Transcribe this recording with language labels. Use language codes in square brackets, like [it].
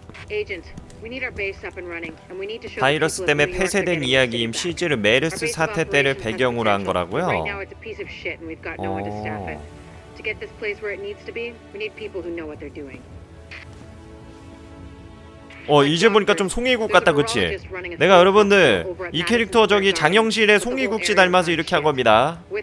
[en] Agent, we need our base up and running, and we need to show. [ko] 바이러스 때문에 폐쇄된 이야기임. 실제로 메르스 사태 때를 배경으로 한 거라고요? [en] To get this place where it needs to be, we need people who know what they're doing. [ko] 어, 이제 보니까 좀 송이국 같다, 그치? 내가 여러분들, 이 캐릭터 저기 장영실의 송이국 씨 닮아서 이렇게 한 겁니다.